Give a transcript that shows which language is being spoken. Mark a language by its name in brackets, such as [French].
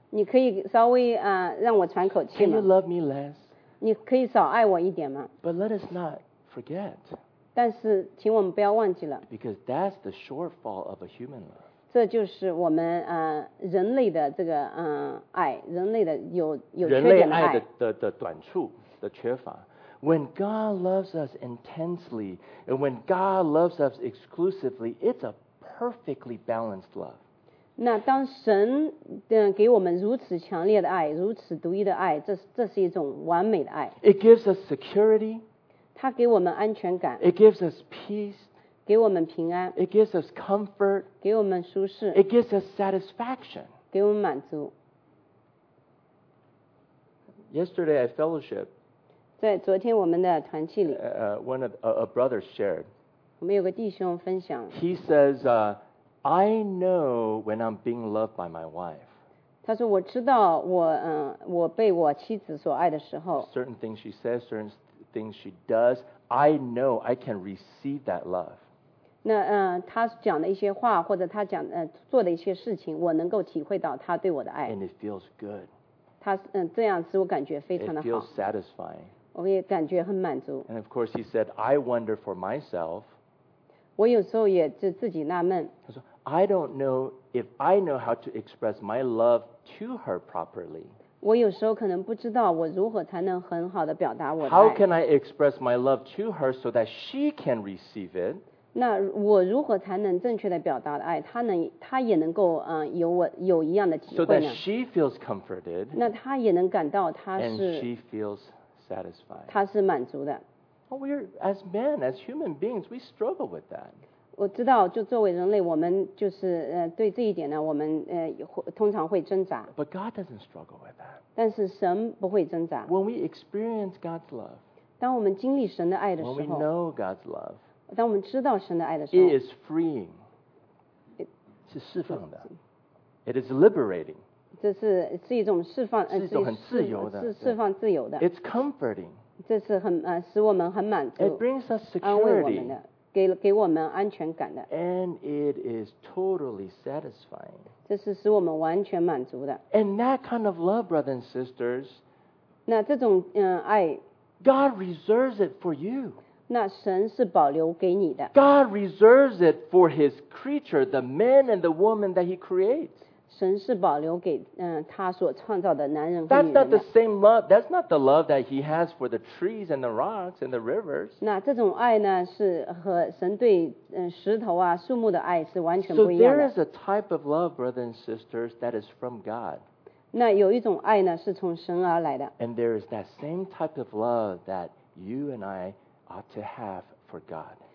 [Chinese] 你可以稍微让我喘口气吗 [English] ？Can you love me less? [Chinese] 你可以少爱我一点吗 [English] ？But let us not forget. [Chinese] 但是，请我们不要忘记了。 Because that's the shortfall of a human love. 这就是我们人类的这个爱，人类的有缺点的爱。人类爱的短处的缺乏。 [English] When God loves us intensely, and when God loves us exclusively, it's a perfectly balanced love. [Chinese] 那当神给我们如此强烈的爱，如此独一的爱，这是一种完美的爱。 [English] It gives us security. [Chinese] 它给我们安全感。 [English] It gives us peace. [Chinese] 给我们平安。 [English] It gives us comfort. [Chinese] 给我们舒适。 [English] It gives us satisfaction. [Chinese] 给我们满足。 [English] Yesterday I fellowship. [Chinese] 在昨天我们的团契里。 [English] One of a brother shared. [Chinese] 我们有个弟兄分享。 [English] He says, "I know when I'm being loved by my wife." [Chinese] 他说我知道我被我妻子所爱的时候。 [English] Certain things she says, certain things she does, I know I can receive that love. [Chinese] 那他讲的一些话或者他讲做的一些事情，我能够体会到他对我的爱。 [English] And it feels good. [Chinese] 他这样使我感觉非常的好。 [English] It feels satisfying. [Chinese] 我也感觉很满足。 [English] And of course, he said, "I wonder for myself." [Chinese] 我有时候也就自己纳闷。他说 [English] ：“I don't know if I know how to express my love to her properly。” [Chinese] 我有时候可能不知道我如何才能很好的表达我的爱。 [English] How can I express my love to her so that she can receive it？ [Chinese] 那我如何才能正确的表达爱，她也能够有一样的体会呢 [English] ？So that she feels comforted。 [Chinese] 那她也能感到她是。 [English] And she feels satisfied。 [Chinese] 她是满足的。 [English] Well, we're as men, as human beings, we struggle with that. [Chinese] 我知道，就作为人类，我们就是对这一点呢，我们通常会挣扎。 [English] But God doesn't struggle with that. [Chinese] 但是神不会挣扎。 [English] When we experience God's love. [Chinese] 当我们经历神的爱的时候。 [English] When we know God's love. [Chinese] 当我们知道神的爱的时候。 [English] It is freeing. [Chinese] 是释放的。 [English] It is liberating. [Chinese] 这是一种释放，是一种很自由的，是释放自由的。 [English] It's comforting. [Chinese] 这是很使我们很满足。 [English] It brings us security. [Chinese] 给我们安全感的。 [English] And it is totally satisfying. [Chinese] 这是使我们完全满足的。 [English] And that kind of love, brothers and sisters, [Chinese] 那这种爱 [English] God reserves it for you. [Chinese] 那神是保留给你的。 [English] God reserves it for his creature, the man and the woman that he creates. [Chinese] 神是保留给他所创造的男人和女人的。 [English] That's not the same love, that's not the love that he has for the trees and the rocks and the rivers. [Chinese] 那这种爱呢是和神对石头啊树木的爱是完全不一样的。 [English] So there is a type of love, brothers and sisters, that is from God. [Chinese] 那有一种爱呢是从神而来的。 [English] And there is that same type of love that you and I ought to have for God.